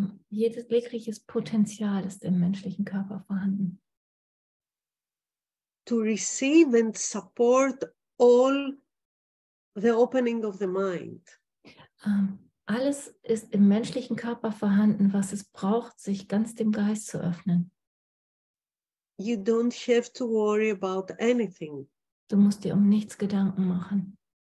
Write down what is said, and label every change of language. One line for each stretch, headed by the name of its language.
German: Jedes jegliches Potenzial ist im menschlichen Körper vorhanden.
English: To receive and support all the opening of the mind.
German: Alles ist im menschlichen Körper vorhanden, was es braucht, sich ganz dem Geist zu öffnen.
English: You don't have to worry about anything.
German: Du musst dir um nichts Gedanken machen.